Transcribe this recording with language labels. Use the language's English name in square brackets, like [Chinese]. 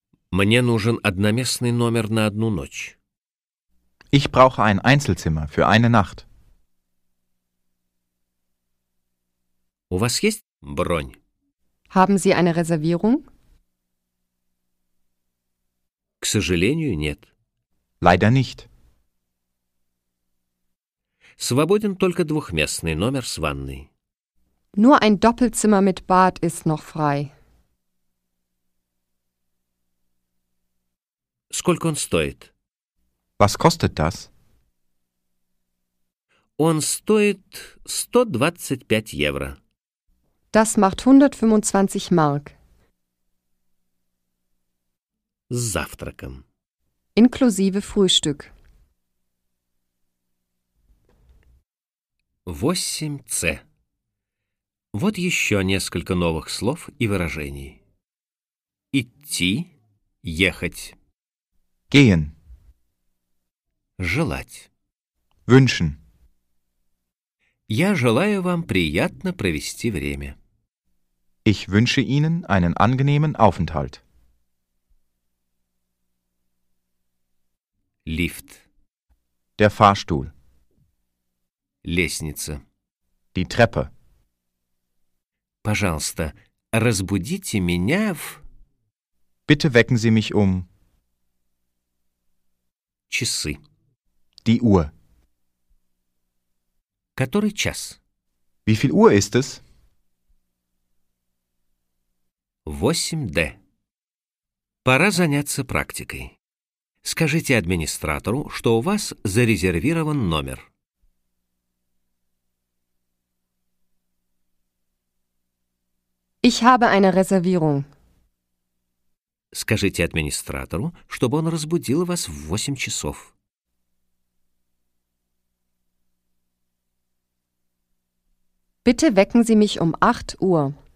[Russian] Мне нужен одноместный номер на одну ночь. [German] Ich brauche ein Einzelzimmer für eine Nacht. [Russian] У вас есть бронь? [German] Haben Sie eine Reservierung? [Russian] К сожалению, нет. [German] Leider nicht. [Russian] Свободен только двухместный номер с ванной. [German] Nur ein Doppelzimmer mit Bad ist noch frei. [Russian] Сколько он стоит? [German] Was kostet das? [Russian] Он стоит 125 евро. [German] Das macht 125 Mark. [Russian] С завтраком. [German] Inklusive Frühstück. 8C. [Russian] Вот еще несколько новых слов и выражений. Идти, ехать. [German] Gehen. [Russian] Желать. [German] Wünschen. [Russian] Я желаю вам приятно провести время. [German] Ich wünsche Ihnen einen angenehmen Aufenthalt. [Russian] Lift. [German] Der Fahrstuhl. [Russian] Лестница. [German] Die Treppe. [Russian] Пожалуйста, разбудите меня в... [German] Bitte wecken Sie mich um... [Russian] Часы. [German] Die Uhr. [Russian] Который час? [German] Wie viel Uhr ist es? 8D. [Russian] Пора заняться практикой. Скажите администратору, что у вас зарезервирован номер. [German] Ich habe eine Reservierung. [Russian] Скажите администратору, чтобы он разбудил вас в 8 часов. [German] Bitte wecken Sie mich um 8 Uhr.